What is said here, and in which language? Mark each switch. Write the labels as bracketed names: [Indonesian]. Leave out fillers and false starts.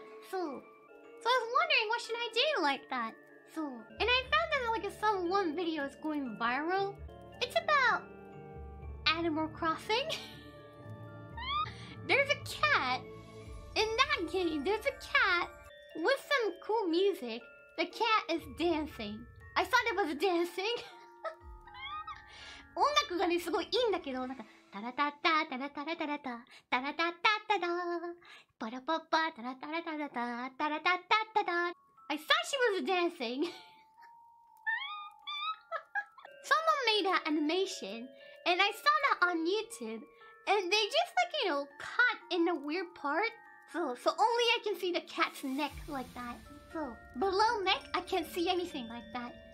[English] So I was wondering, what should I do like that? So, and I found that like some one video is going viral. It's about Animal Crossing. There's a cat. In that game, there's a cat with some cool music. The cat is dancing. I thought it was dancing. [Japanese] 音楽がね、すごいいいんだけど、なんか、タラタッタ、タラタラタラタ、タラタッタッタダー、パラパッパ、タラタラタラタ、タラタッタッタダー。 [English] I thought she was dancing. Someone made an animation, and I saw that on YouTube, and they just like, you know, cut in a weird part. So only I can see the cat's neck like that. So, below neck, I can't see anything like that.